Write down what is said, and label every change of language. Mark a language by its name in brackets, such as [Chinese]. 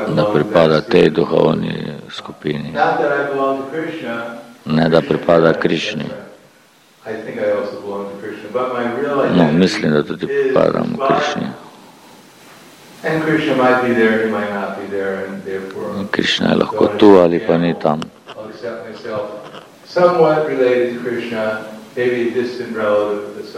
[Slovenian] Da pripada tej duhovni skupini. [English] Not that I belong to Krishna. [Slovenian] Ne da pripada Krishni. [English] I think I also belong to Krishna, but my real identity. [Slovenian] No, mislim da tudi pripadam Krishni. [English] And Krishna might be there, he might not be there, and therefore. [Slovenian] Krishna je lahko tu ali pa ni tam. [English] I'll accept myself somewhat related to Krishna, maybe a distant relative.